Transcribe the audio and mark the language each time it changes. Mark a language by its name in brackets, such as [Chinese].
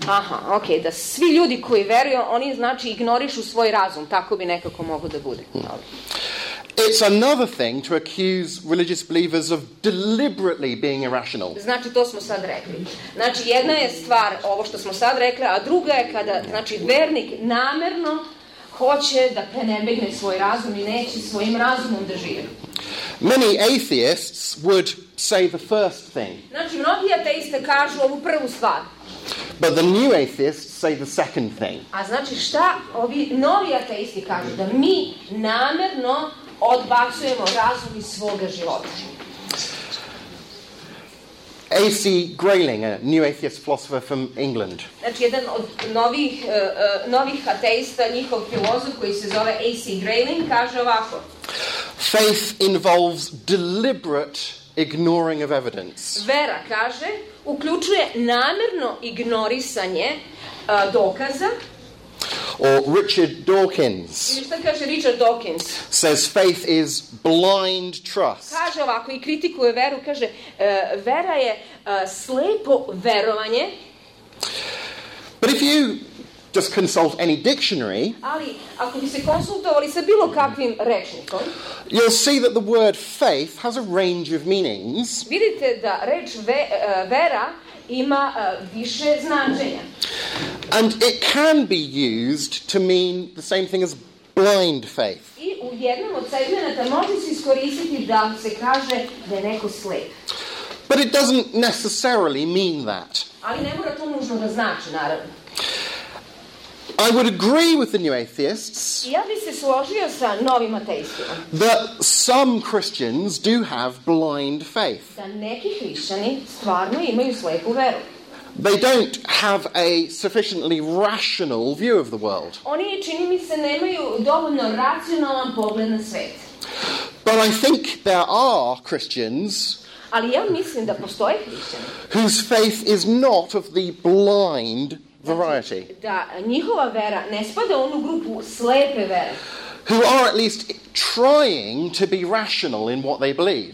[Serbian] Aha, ok, da svi ljudi koji veruju, oni znači ignorišu svoj razum, tako bi nekako moglo da bude. Dobro. [English] It's another thing to accuse religious believers of deliberately being irrational. [Serbian] Znači to smo sad rekli. Znači jedna je stvar ovo što smo sad rekli, a druga je kada znači vernik namerno hoće da prenebegne svoj razum i neće svojim razumom da živi. [English] Many atheists would say the first thing. [Serbian] Znači mnogi ateisti kažu ovu prvu stvar. [English] But the new atheists say the second thing. [Serbian] A znači šta ovi novi ateisti kažu da mi namerno odbacujemo razum iz svoga života. [English] A.C. Grayling, a new atheist philosopher from England. [Serbian] Znači, jedan od novih, novih ateista, njihov filozof koji se zove A.C. Grayling, kaže ovako. [English] Faith involves deliberate ignoring of evidence. [Serbian] Vera, kaže, uključuje namjerno ignorisanje dokaza. [English] Or Richard Dawkins, [Serbian] Richard Dawkins [English] says faith is blind trust. [Serbian] Kaže ovako i kritikuje veru, kaže vera je slepo verovanje. [English] But if you just consult any dictionary, [Serbian] ali ako bi se konsultovali sa bilo kakvim rečnikom, [English] you'll see that the word faith has a range of meanings. [Serbian] Vidite da reč vera ima više značenja. [English] And it can be used to mean the same thing as blind faith. [Serbian] I u jednom od segmenata može se iskoristiti da se kaže da je neko slep. [English] But it doesn't necessarily mean that. [Serbian] Ali ne mora to nužno da znači, naravno. [English] I would agree with the new atheists. [Serbian] Ja bih se složio sa novim ateistima. [English] That some Christians do have blind faith. [Serbian] Da neki hrišćani stvarno imaju slepu veru. [English] They don't have a sufficiently rational view of the world. [Serbian] Oni čini mi se nemaju dovoljno racionalan pogled na svet. [English] But I think there are Christians. [Serbian] Ali ja mislim da postoje hrišćani. [English] Whose faith is not of the blind variety. [Serbian] Da njihova vera ne spada u onu grupu slepe vere. [English] Who are at least trying to be rational in what they believe.